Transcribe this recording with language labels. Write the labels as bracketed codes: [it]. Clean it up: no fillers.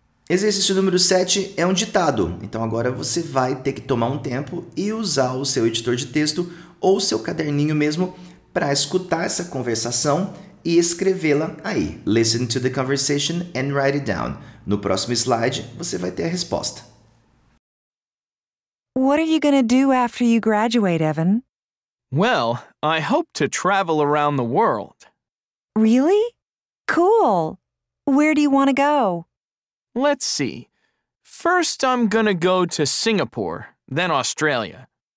[pt] Exercício número 7 é um ditado, então agora você vai ter que tomar um tempo e usar o seu editor de texto ou seu caderninho mesmo para escutar essa conversação e escrevê-la aí. [en] Listen to the conversation and write it down. [pt] No próximo slide, você vai ter a resposta. [en] What are you going to do after you graduate, Evan? Well, I hope to travel around the world. Really? Cool. Where do you want to go? Let's see. First, I'm gonna go to Singapore, then Australia.